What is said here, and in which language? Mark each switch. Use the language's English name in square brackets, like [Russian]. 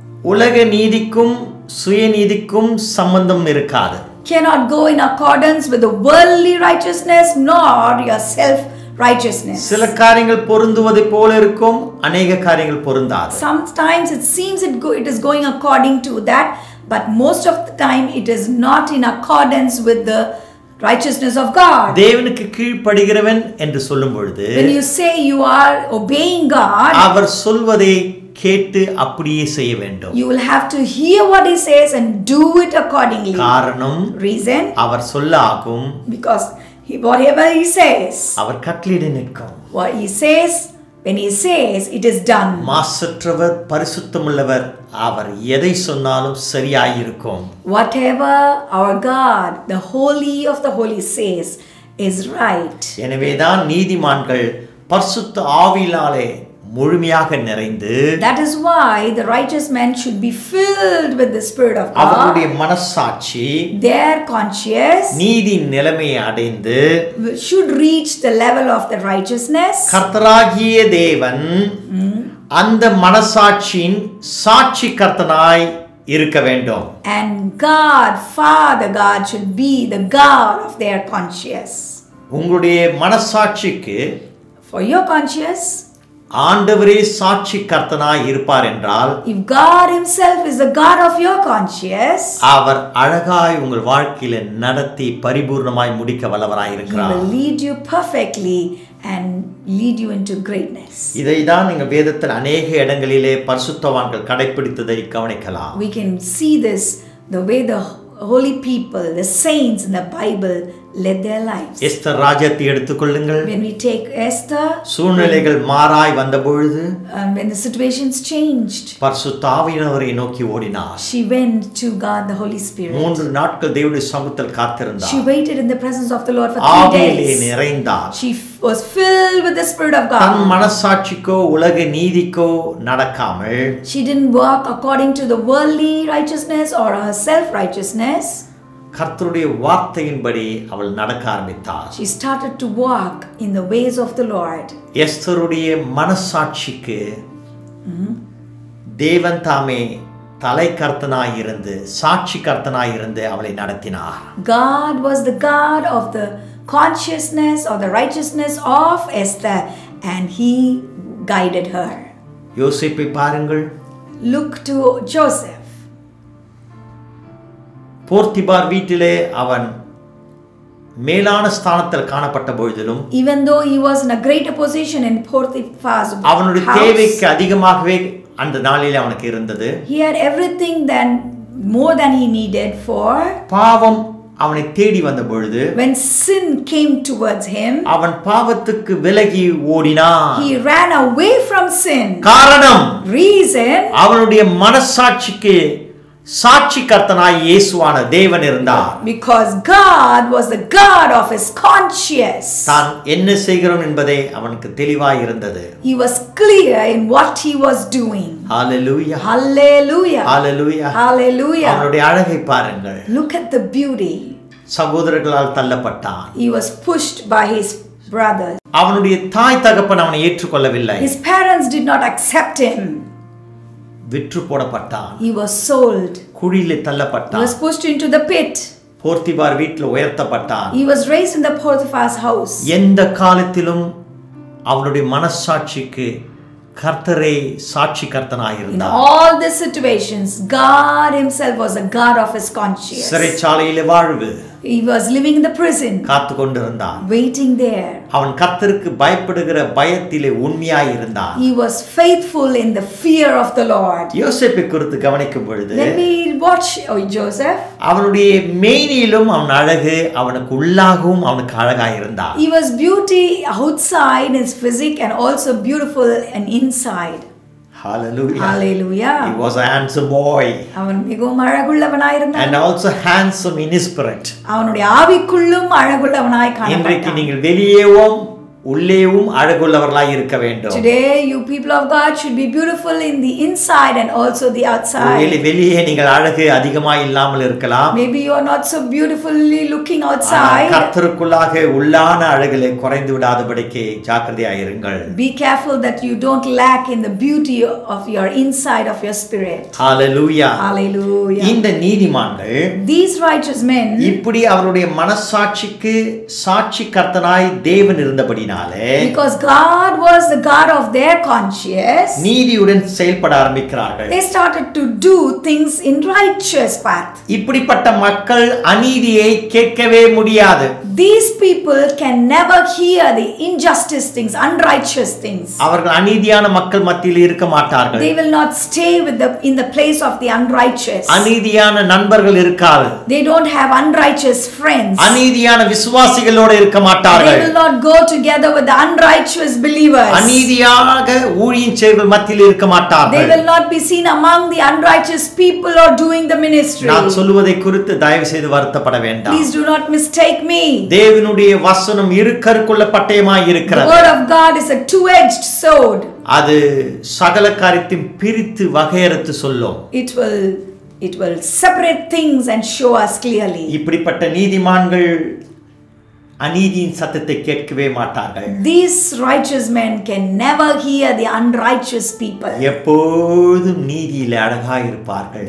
[Tamil] உலக நீதிக்கும் சுய நீதிக்கும் சம்பந்தம் இருக்காது. [English] cannot go in accordance with the worldly righteousness nor your self righteousness. [Tamil] சில காரியங்கள் பொருந்துவதை போல இருக்கும், अनेक காரியங்கள் பொருந்தாது. [English] Sometimes it seems it is going according to that, but most of the time it is not in accordance with the righteousness of God. [Tamil] தேவனுக்கு கீழ்ப்படிகிறவன் என்று சொல்லும்பொழுது, [English] when you say you are obeying God, [Tamil] அவர் சொல்வதை கேட்டு அப்படியே செய்ய வேண்டும். [English] You will have to hear what he says and do it accordingly. [Tamil] காரணம், [English] reason, [Tamil] our சொல்லாகும். [English] Because whatever he says, [Tamil] அவர் கட்டளையிடுகிறார். [English] What he says, when he says, it is done. [Tamil] மாசற்றவர், பரிசுத்தமுள்ளவர், அவர் எதை சொன்னாலும் சரியாயிருக்கும். [English] Whatever our God, the Holy of the Holy says, is right. [Tamil] எனவேதான் நீதிமான்கள் பரிசுத்த ஆவியாலே முழுமையாக நிறைந்து, [English] That is why the righteous man should be filled with the spirit of God. [Tamil] அவருடைய மனசாட்சி, [English] their conscience, [Tamil] நீதி நிலைமை அடைந்து, [English] should reach the level of the righteousness. [Tamil] கர்த்தராகிய தேவன் அந்த மனசாட்சியின் சாட்சி கர்த்தனாய் இருக்க வேண்டும். [English] And God, Father God, should be the God of their conscience. [Tamil] உங்களுடைய மனசாட்சிக்கு, [English] for your conscience, [Tamil] ஆண்டவரே சாட்சி கர்த்தனாய் இருப்பார் என்றால், [English] If God himself is the God of your conscience, [Tamil] அவர் அழகாய் உங்கள் வாழ்க்கையில நடத்தி பரிபூர்ணமாய் முடிக்க வல்லவராய் இருக்கிறார். [English] He will lead you perfectly and lead you into greatness. [Tamil] இதைதான் நீங்க வேதத்தில் அநேக இடங்களிலே பரிசுத்தவான்கள் கடைபிடித்ததை கவனிக்கலாம். [English] We can see this the way the holy people, the saints in the Bible, led their lives. [Tamil] Esther ராஜ்யத்தை எடுத்துக்கொள்ளுங்கள். [English] When we take Esther, [Tamil] சூழ்நிலைகள் மாறாய் வந்தபொழுது, [English] when the situations changed, [Tamil] பரிசுத்த ஆவியானவரை நோக்கி ஓடினார். [English] She went to God, the Holy Spirit. [Tamil] மூன்று நாட்கள் தேவனுடைய சமூகத்தில் காத்திருந்தார். [English] She waited in the presence of the Lord for 3 days. [Tamil] ஆவியில் நிறைந்தார். [English] She was filled with the Spirit of God. [Tamil] தன் மனசாட்சிக்கோ உலக நீதிக்கோ நடக்காமல், [English] She didn't walk according to the worldly righteousness or her self-righteousness. [Tamil] கர்த்தருடைய வார்த்தையின்படி அவள் நடக்க ஆரம்பித்தாள். [English] She started to walk in the ways of the Lord. [Tamil] எஸ்தருடைய மனசாட்சிக்கு தேவன் தாமே தலை கர்த்தனாய் இருந்து, சாட்சி கர்த்தனாய் இருந்து அவளை நடத்தினார். [English] God was the God of the consciousness or the righteousness of Esther and he guided her. [Tamil] யோசேப்பை பாருங்கள். [English] Look to Joseph. [Tamil] போர்த்திபார் வீட்டிலே அவன் மேலான ஸ்தானத்தில் காணப்பட்ட பொழுதிலும், [English] even though he was in a greater position in Potiphar's house, [Tamil] அவனுடைய தேவைக்கு அதிகமாகவே அந்த நாளிலே அவனுக்கு இருந்தது. [English] He had everything than more than he needed for [Tamil] பாவம் அவனை தேடி வந்த பொழுது [English] when sin came towards him [Tamil] அவன் பாவத்துக்கு விலகி ஓடினான் [English] he ran away from sin [Tamil] காரணம் [English] reason [Tamil] அவனுடைய மனசாட்சிக்கு சாட்சி கர்த்தனாய் இயேசுவான தேவன் இருந்தார் [English] because god was the god of his conscience [Tamil] தான் என்ன செய்கிறோம் என்பதை அவனுக்கு தெளிவாய் இருந்தது [English] he was clear in what he was doing hallelujah hallelujah hallelujah hallelujah [Tamil] அவருடைய அழகை பாருங்கள் [English] look at the beauty [Tamil] சகோதரர்களால் தள்ளப்பட்டான் [English] he was pushed by his brothers [Tamil] அவனுடைய தாய் தகப்பன் அவனை ஏற்றுக்கொள்ளவில்லை [English] his parents did not accept him [Tamil] விற்று போடப்பட்டான் [English] he was sold [Tamil] குழியில் தள்ளப்பட்டான் [English] he was pushed into the pit [Tamil] Potiphar வீட்ல உயர்த்தப்பட்டான் [English] he was raised in the Potiphar's house [Tamil] எந்த காலத்திலும் அவனுடைய மனசாட்சிக்கு கர்த்தரே சாட்சி கர்த்தனாய் இருந்தான் [English] in all the situations god himself was a god of his conscience [Tamil] சிறைச்சாலையிலே வாழ்வு [English] he was living in the prison [Tamil] காத்து கொண்டிருந்தான் [English] waiting there [Tamil] அவன் கர்த்தருக்கு பயப்படுகிற பயத்திலே உண்மையாய் இருந்தான் [English] he was faithful in the fear of the lord [Tamil] யோசேப்பை குறித்து கவனிக்கும் பொழுது [English] let me watch joseph [Tamil] அவனுடைய மேனியிலும் அவன் அழகு அவனுக்கு உள்ளாகவும் அவனுக்கு அழகாய் இருந்தான் [English] he was beauty outside his physique and also beautiful and inside Hallelujah. Hallelujah. He was a handsome boy. [Tamil] அவர் மிகவும் அழகுள்ளவனாய் இருந்தான். [English] And also handsome in his spirit. [Tamil] அவனுடைய ஆவிக்குள்ளும் அழகுள்ளவனாய் காணப்பட்டான். இன்றைக்கு நீங்கள் வெளியேவும் உள்ளேவும் அழகுள்ளவர்களாய் இருக்க வேண்டும். [English] Today you people of God should be beautiful in the inside and also the outside. [Tamil] ஒரு வெளியே நீங்கள் அழகு அதிகமாக இல்லாமல் இருக்கலாம். [English] Maybe you are not so beautifully looking outside. [Tamil] கர்த்தருக்குள்ளாக உள்ளான அழகிலே குறைந்து விடாதபடிக்கு ஜாக்கிரதையாய் இருங்கள். [English] Be careful that you don't lack in the beauty of your inside of your spirit. Hallelujah. Hallelujah. [Tamil] இந்த நீதிமான்கள் [English] These righteous men [Tamil] இப்படி அவருடைய மனசாட்சிக்கு சாட்சி கர்த்தனாய் தேவன் இருந்த [English] because god was the god of their conscience [Tamil] நீதியுடன் செயல்பட ஆரம்பிக்கிறார்கள் [English] they started to do things in righteous path [Tamil] இப்படிப்பட்ட மக்கள் அநீதியை கேட்கவே முடியாது [English] these people can never hear the injustice things unrighteous things [Tamil] அவர்கள் அநீதியான மக்கள் மத்தியில் இருக்க மாட்டார்கள் [English] they will not stay with the in the place of the unrighteous [Tamil] அநீதியான நண்பர்கள் இருக்காது [English] they don't have unrighteous friends [Tamil] அநீதியான விசுவாசிகளோடு இருக்க மாட்டார்கள் [English] they will not go together with the unrighteous believers [Tamil] அநீதியாக ஊழியின் சேர்கள் மத்தியில் இருக்க மாட்டார்கள் [English] they will not be seen among the unrighteous people or doing the ministry [Tamil] நான் சொல்வதை குறித்து தயவு செய்து வருத்தப்பட வேண்டாம் [English] please do not mistake me [Tamil] தேவனுடைய வசனம் இருக்கருக்குள்ள பட்டயமாய் இருக்கிறது [English] the word of god is a two edged sword [Tamil] அது சகல காரியத்தையும் பிரித்து வகையறுத்து சொல்லும் [English] it will separate things and show us clearly [Tamil] இப்படிப்பட்ட நீதிமான்கள் அநீதியின் சத்தத்தை கேட்கவே மாட்டார்கள் [English] these righteous men can never hear the unrighteous people [Tamil] எப்பொழுதும் நீதியில் அழகாய் இருப்பார்கள்